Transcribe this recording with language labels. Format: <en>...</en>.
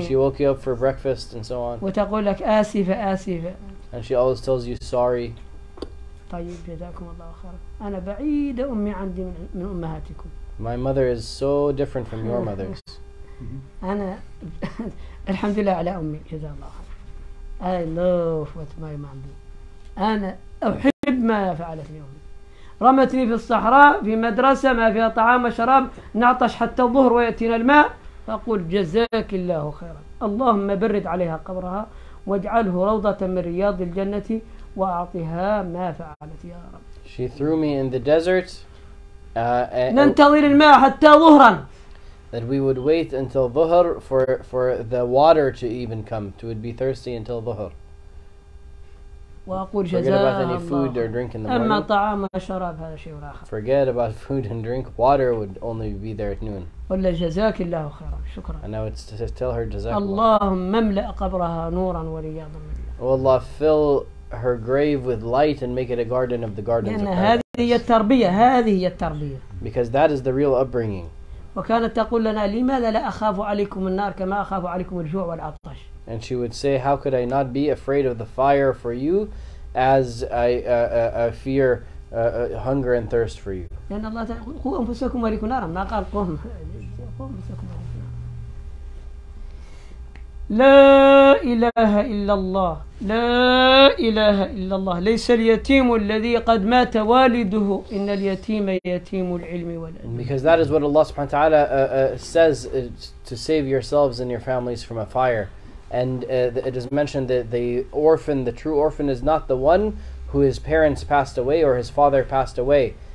<en>And she woke you up for breakfast and so on.</en> <ar>وتقول لك آسفة آسفة.</ar> <en>And she always tells you sorry.</en> <ar>طيب جزاكم الله خير. أنا بعيدة أمي عندي من أمهاتكم.</ar> <en>My mother is so different from your mothers.</en> <ar>أنا الحمد لله على أمي جزا الله خير.</ar> <en>I love what my mom did.</en> <ar>أنا أحب ما فعلت لي أمي. رمتني في الصحراء في مدرسة ما فيها طعام وشراب نعطش حتى الظهر ويأتينا الماء فأقول جزاك الله خيرا. اللهم برد عليها قبرها واجعله روضة من رياض الجنة وأعطها ما فعلت يا رب.</ar> <en>She threw me in the desert.</en> <ar>ننتظر الماء حتى ظهرا.</ar> <en>That we would wait until ظهر for the water to even come. To would be thirsty until ظهر.</en> <ar>وأقول جزاء الله.</ar> <en>Forget about any food or drink in the morning.</en> <ar>أما طعام وشراب هذا شيء آخر.</ar> <en>Forget about food and drink. Water would only be there at noon.</en> <ar>ولا جزاك الله خيرا شكرا.</ar> <en>And I would tell her جزاك الله.</en> <ar>اللهم املأ قبرها نورا ورياضا من</ar> <en>والله fill her grave with light and make it a garden of the gardens</en> <ar>لأن</ar> <en>of paradise.</en> <ar>هذه هي التربية. هذه هي التربية.</ar> <en>Because that is the real upbringing.</en> <ar>وكانت تقول لنا لماذا لا أخاف عليكم النار كما أخاف عليكم الجوع والعطش.</ar> <en>And she would say, how could I not be afraid of the fire for you as I fear hunger and thirst for you.</en> <ar>لأن الله تعالى قوم أنفسكم وليكم نارا ما قال قوم أنفسكم لا إله إلا الله لا إله إلا الله ليس اليتيم الذي قد مات والده إن اليتيم يتيم العلم والأدب.</ar> <en>Because that is what Allah سبحانه وتعالى says to save yourselves and your families from a fire. And it is mentioned that the orphan, the true orphan, is not the one who his parents passed away or his father passed away.</en>